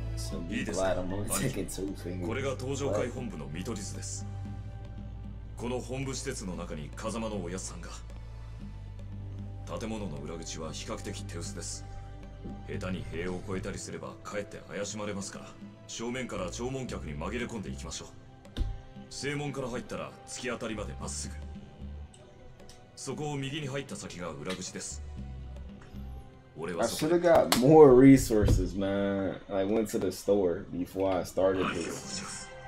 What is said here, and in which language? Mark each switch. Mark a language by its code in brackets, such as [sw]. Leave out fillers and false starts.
[en] So be glad I'm only taking two fingers. [ja] これが登場会本部の見取り図です。この本部施設の中に風間のおやすさんが。建物の裏口は比較的手薄です。下手に塀を越えたりすればかえって怪しまれますから、正面から弔問客に紛れ込んでいきましょう。正門から入ったら突き当たりまでまっすぐ。そこを右に入った先が裏口です。俺はそこ。 [en] I should have got more resources, man. I went to the store before I started this.